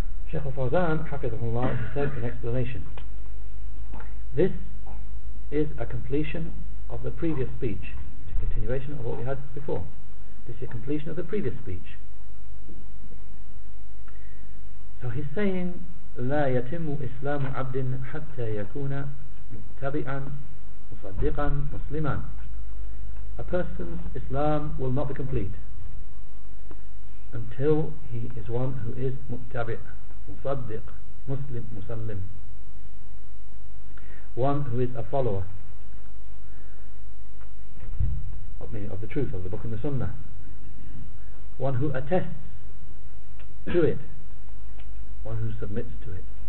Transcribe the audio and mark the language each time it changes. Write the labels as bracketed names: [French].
[English] Sheikh al-Fawzan, hafizahullah, said in explanation, this is a completion of the previous speech, a continuation of what we had before. This is a completion of the previous speech. So he's saying, [Arabic] لا يتم إسلام عبد حتى يكون متبعا مصدقا مسلما. [English] A person's Islam will not be complete until he is one who is [Arabic] متبع مصدق مسلم مسلم, [English] one who is a follower of the truth of the book and the sunnah, one who attests to it, one who submits to it.